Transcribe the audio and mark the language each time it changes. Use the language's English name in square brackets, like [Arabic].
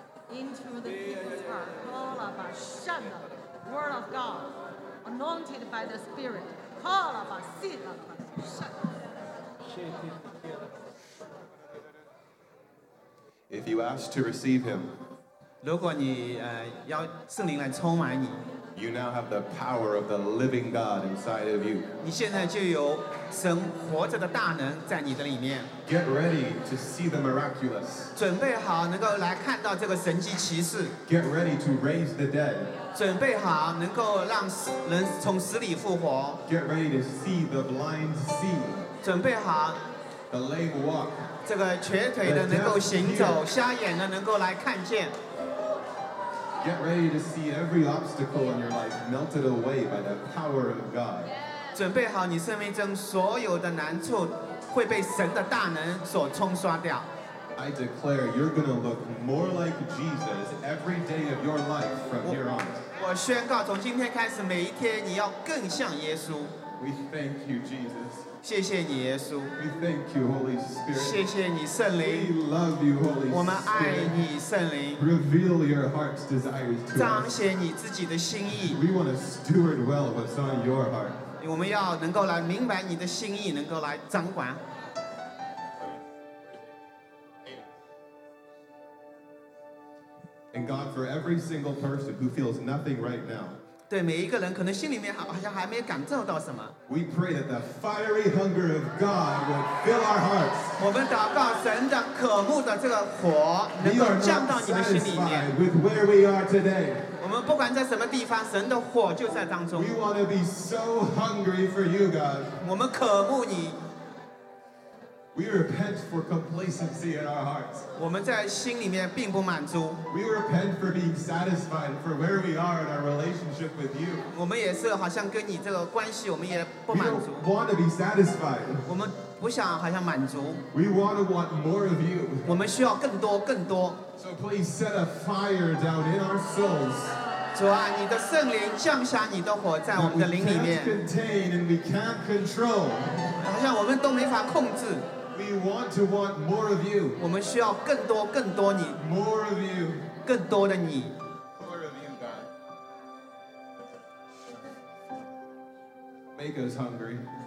[English] Into the people's heart, Kala Bashana, Word of God, anointed by the Spirit, Kala Bashana. If you ask to receive Him, [Chinese] 如果你要圣灵来充满你 [English] you now have the power of the living God inside of you. [Chinese] 你现在就有神活着的大能在你的里面。 [English] Get ready to see the miraculous. [Chinese] 准备好能够来看到这个神迹奇事。 [English] Get ready to raise the dead. [Chinese] 准备好能够让人从死里复活。 [English] Get ready to see the blind see. [Chinese] 准备好 [English] the lame walk. [Chinese] 这个瘸腿的能够行走，瞎眼的能够来看见。 [English] get ready to see every obstacle in your life melted away by the power of God. [Chinese] 准备好你生命中所有的难处会被神的大能所冲刷掉。 [English] I declare you're going to look more like Jesus every day of your life from here on. [Chinese] 我宣告从今天开始每一天你要更像耶稣。 [English] We thank you, Jesus. [Chinese] 谢谢你耶稣。 [English] We thank you, Holy Spirit. [Chinese] 谢谢你圣灵。 [English] We love you, Holy Spirit. [Chinese] 我们爱你圣灵。 [English] Reveal your heart's desires to us. [Chinese] 彰显你自己的心意。 [English] We want to steward well what's on your heart. [Chinese] 我们要能够来明白你的心意，能够来掌管。 [English] And God, for every single person who feels nothing right now, [Chinese] 对每一个人可能心里面好像还没感受到什么。 [English] We pray that the fiery hunger of God will fill our hearts. [Chinese] 我们祷告神的渴慕的这个火能够降到你的心里面。 [English] We are not satisfied with where we are today. [Chinese] 我们不管在什么地方，神的火就在当中。 [English] We want to be so hungry for you, God. [Chinese] 我们渴慕你。 [English] We repent for complacency in our hearts. [Chinese] 我们在心里面并不满足。 [English] We repent for being satisfied for where we are in our relationship with you. [Chinese] 我们也是好像跟你这个关系，我们也不满足。 [English] We want to be satisfied. [Chinese] 我们不想好像满足。 [English] We want to want more of you. [Chinese] 我们需要更多，更多。 [English] So please set a fire down in our souls. [Chinese] 主啊，你的圣灵降下你的火在我们的灵里面。 [English] We can't contain and we can't control. [Chinese] 好像我们都没法控制。 [English] We want to want more of you. [Chinese] 我们需要更多，更多你。 [English] More of you. [Chinese] 更多的你。 [English] More of you, God. Make us hungry.